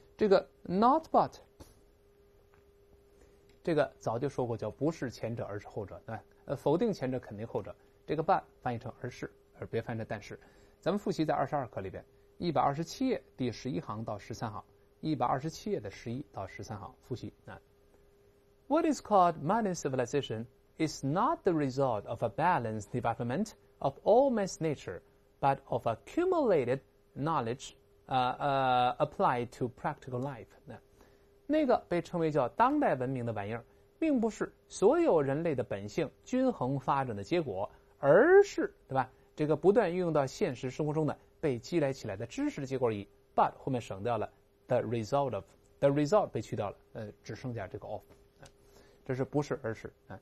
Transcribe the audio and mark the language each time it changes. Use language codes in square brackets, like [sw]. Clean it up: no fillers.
[zh] 这个 not but， 这个早就说过叫不是前者而是后者，对吧？否定前者肯定后者。这个 but 翻译成而是，而别翻译成但是。咱们复习在22课里边，127页第11行到13行，127页的11到13行复习。 [en] What is called modern civilization is not the result of a balanced development of all man's nature, but of accumulated knowledge applied to practical life。 [zh] 那个被称为叫当代文明的玩意儿，并不是所有人类的本性均衡发展的结果，而是对吧？这个不断运用到现实生活中的被积累起来的知识的结果而已。 But 后面省掉了 the result of， the result 被去掉了，只剩下这个 of， 这是不是而是。